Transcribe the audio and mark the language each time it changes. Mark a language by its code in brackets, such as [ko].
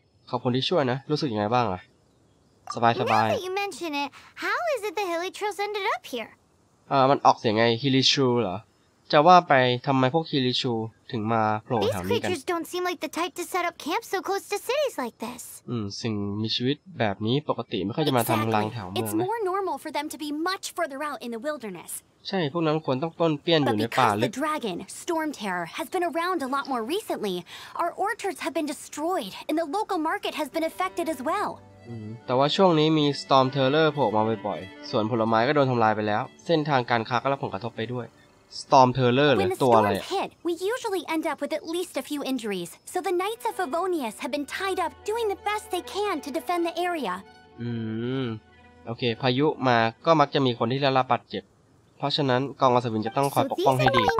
[th] ขอบคุณที่ช่วยนะรู้สึกยังไงบ้างอ่ะสบายสบาย [en] Now that you mention it, how is it the Hilichurls ended up here? [th] มันออกเสียงไง Hilichurl เหรอจะว่าไปทำไมพวก Hilichurl ถึงมาโผล่แถวนี้กัน [en] These creatures don't seem like the type to set up camp so close to cities like this. [th] สิ่งมีชีวิตแบบนี้ปกติไม่ค่อยจะมาทำรังแถวเมืองนะ [en] It's more normal for them to be much further out in the wilderness [th] ใช่พวกนั้นควรต้องต้นเปี้ยนอยู่ในป่าลึก [en] The dragon storm terror has been around a lot more recently. Our orchards have been destroyed and the local market has been affected as well. [th] แต่ว่าช่วงนี้มี storm terror โผล่มาบ่อยๆสวนผลไม้ก็โดนทำลายไปแล้วเส้นทางการค้าก็รับผลกระทบไปด้วย storm terror หรือตัวอะไร [en] hit, We usually end up with at least a few injuries. So the knights of Favonius have been tied up doing the best they can to defend the area. [th] โอเคพายุมาก็มักจะมีคนที่ได้รับบาดเจ็บเพราะฉะนั้นกองอัศวินจะต้องคอยปกป้องให้ดี